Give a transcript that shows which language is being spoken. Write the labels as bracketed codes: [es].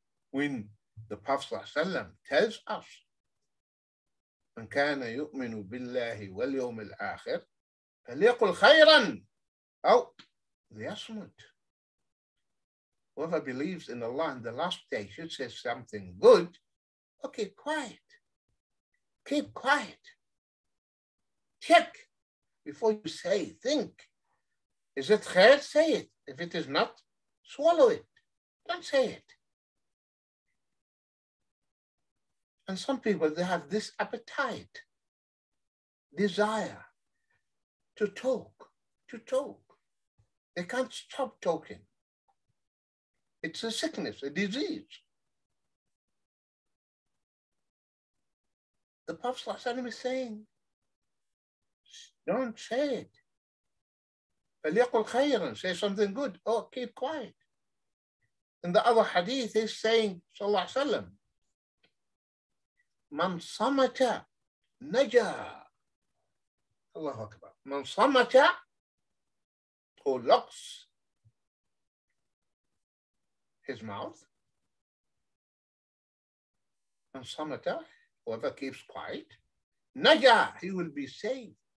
[en] When the Prophet ﷺ tells us, [ar] من كان يؤمن بالله واليوم الآخر فليقل خيرا أو ليصمت. [en] Whoever believes in Allah in the last day should say something good or keep quiet. Keep quiet. Check before you say, think. Is it خير? Say it. If it is not, swallow it. Don't say it. And some people, they have this appetite, desire to talk, They can't stop talking. It's a sickness, a disease. The Prophet is saying, don't say it. [ar] فَلْيَقُلْ خَيْرًا, [en] say something good. Oh, keep quiet. In the other hadith, he's saying, [ar] صلى الله عليه وسلم, مَنْ صَمَتَ نَجَى. Allah Akbar. مَنْ صَمَتَ [en] who locks his mouth. [ar] مَنْ صَمَتَ, [en] whoever keeps quiet. [ar] نَجَى, [en] he will be saved.